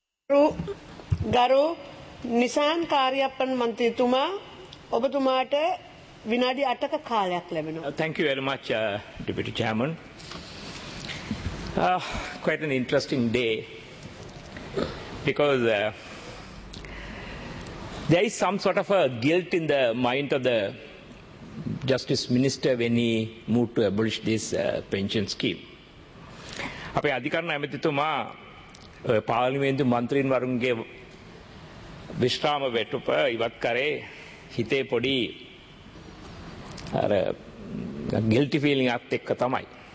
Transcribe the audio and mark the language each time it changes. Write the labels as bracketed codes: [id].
[si] ගරු නිසාන් කාර්යප්පන් මන්ත්‍රීතුමා ඔබතුමාට විනාඩි 8ක කාලයක් ලැබෙනවා. [en] Thank you very much, Deputy Chairman. Quite an interesting day because there is some sort of a guilt in the mind of the Justice Minister when he moved to abolish this pension scheme. [si] අපේ අධිකරණ ඇමතිතුමා පාර්ලිමේන්තු මන්ත්‍රීන් වරුන්ගේ විශ්‍රාම වැටුප ඉවත් කරේ හිතේ පොඩි අර [en] guilty feeling [si] එකක් එක්ක තමයි.